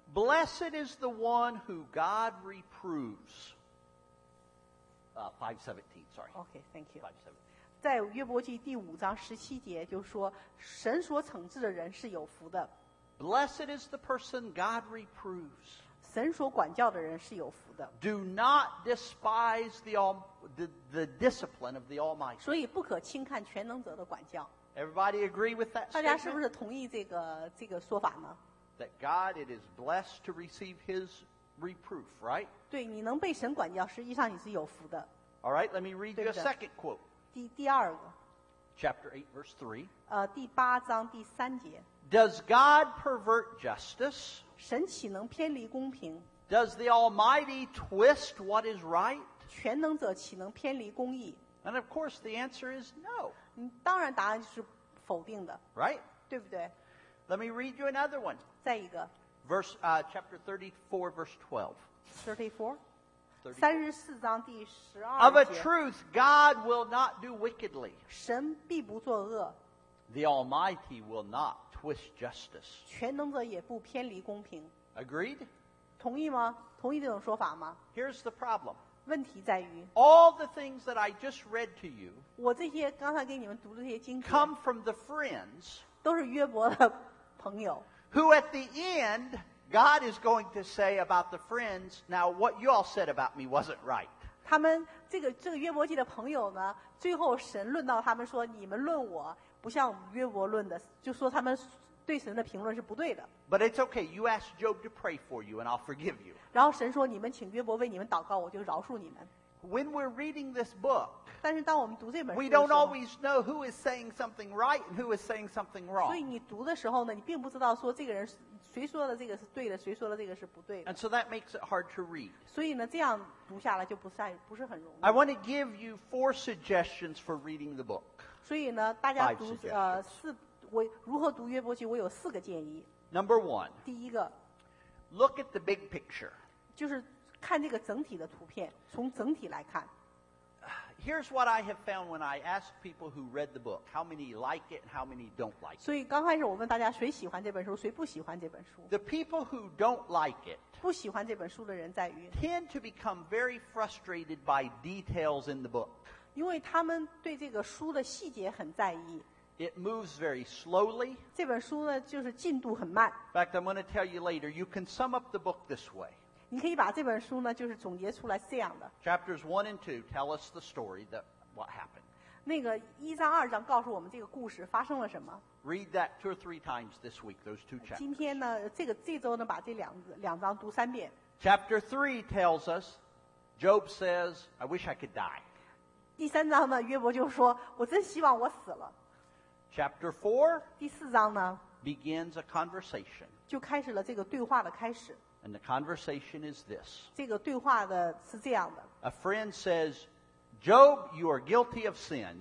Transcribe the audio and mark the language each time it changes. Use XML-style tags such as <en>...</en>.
<en>Blessed is the one who God reproves. 517, sorry. Okay, thank you. 517.</en> <zh>在约伯记第五章十七节就说神所惩治的人是有福的。</zh> <en>Blessed is the person God reproves.</en> <zh>神所管教的人是有福的。</zh> <en>Do not despise the discipline of the Almighty.</en> <zh>所以不可轻看全能者的管教。</zh> <en>Everybody agree with that statement?</en> <zh>大家是不是同意这个说法呢？</zh> <en>That God, it is blessed to receive His reproof, right?</en> <zh>对，你能被神管教，实际上你是有福的。</zh> <en>All right, let me read you a second quote.</en> <zh>第二个。</zh> <en>Chapter 8, verse 3.</en> <zh>第八章第三节。</zh> <en>Does God pervert justice?</en> <zh>神岂能偏离公平？</zh> <en>Does the Almighty twist what is right?</en> <zh>全能者岂能偏离公义？</zh> <en>And of course, the answer is no.</en> <zh>当然答案就是否定的。</zh> <en>Right?</en> <zh>对不对？</zh> <en>Let me read you another one.</en> <zh>再一个。</zh> <en>Chapter 34, verse 12.</en> <zh>34? 34章第十二节。</zh> <en>Of a truth, God will not do wickedly.</en> <zh>神必不作恶。</zh> <en>The Almighty will not twist justice.</en> <zh>全能者也不偏离公平。</zh> <en>Agreed?</en> <zh>同意吗？同意这种说法吗？</zh> <en>Here's the problem.</en> <zh>问题在于。</zh> <en>All the things that I just read to you.</en> <zh>我这些刚才给你们读的这些经节。</zh> <en>Come from the friends.</en> <zh>都是约伯的朋友。</zh> <en>Who at the end, God is going to say about the friends, now what you all said about me wasn't right.</en> <zh>他们这个约伯记的朋友呢，最后神论到他们说，你们论我不像约伯论的，就说他们对神的评论是不对的。</zh> <en>But it's okay, you ask Job to pray for you and I'll forgive you.</en> <zh>然后神说，你们请约伯为你们祷告，我就饶恕你们。</zh> <en>When we're reading this book,</en> <zh>但是当我们读这本书的时</zh> <en>候, we don't always know who is saying something right and who is saying something wrong.</en> <zh>所以你读的时候呢，你并不知道说这个人谁说的这个是对的，谁说的这个是不对的。</zh> <en>And so that makes it hard to read.</en> <zh>所以呢，这样读下来就不是很容易。</zh> <en>I want to give you four suggestions for reading the book.</en> <zh>所以呢，大家读我如何读约伯记，我有四个建议。</zh> <en>Number one.</en> <zh>第一个。</zh> <en>Look at the big picture.</en> <zh>就是。看这个整体的图片，从整体来看。</zh> <en>Here's what I have found when I ask people who read the book, how many like it and how many don't like it.</en> <zh>所以刚开始我问大家谁喜欢这本书，谁不喜欢这本书。</zh> <en>The people who don't like it,</en> <zh>不喜欢这本书的人在于</zh> <en>tend to become very frustrated by details in the book.</en> <zh>因为他们对这个书的细节很在意。</zh> <en>It moves very slowly.</en> <zh>这本书呢，就是进度很慢。</zh> <en>In fact, I'm going to tell you later, you can sum up the book this way.</en> <zh>你可以把这本书呢，就是总结出来这样的。</zh> <en>Chapters 1 and 2 tell us the story that what happened.</en> <zh>那个一章二章告诉我们这个故事发生了什么。</zh> <en>Read that two or three times this week, those two chapters.</en> <zh>今天呢，这周呢，把这两章读三遍。</zh> <en>Chapter 3 tells us, Job says, I wish I could die.</en> <zh>第三章呢，约伯就说，我真希望我死了。</zh> <en>Chapter 4</en> <zh>第四章呢</zh> <en>begins a conversation.</en> <zh>就开始了这个对话的开始。</zh> <en>And the conversation is this.</en> <zh>这个对话的是这样的。</zh> <en>A friend says, Job, you are guilty of sin.</en>